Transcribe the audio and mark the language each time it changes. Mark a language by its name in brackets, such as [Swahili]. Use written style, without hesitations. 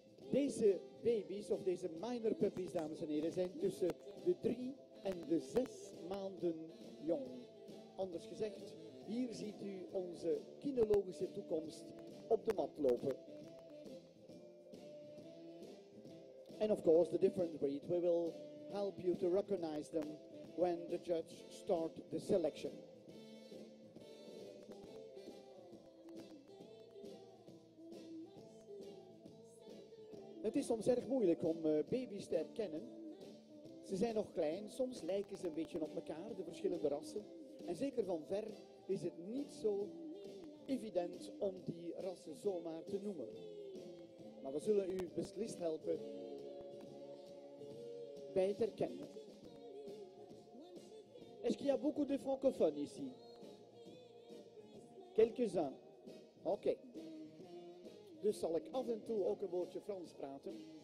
[Dutch] Deze baby's, of deze minor puppies, dames en heren, zijn tussen de 3 en de 6 maanden jong. Anders gezegd, hier ziet u onze kinologische toekomst op de mat lopen. [English] And of course, the different breed, we will help you to recognize them when the judge start the selection. [Dutch] Het is soms erg moeilijk om baby's te herkennen. Ze zijn nog klein, soms lijken ze een beetje op elkaar, de verschillende rassen. En zeker van ver is het niet zo evident om die rassen zomaar te noemen. Maar we zullen u beslist helpen bij het herkennen. [French] Est-ce qu'il y a beaucoup de francophones ici? Quelques-uns. Oké. [Dutch] Dus zal ik af en toe ook een woordje Frans praten.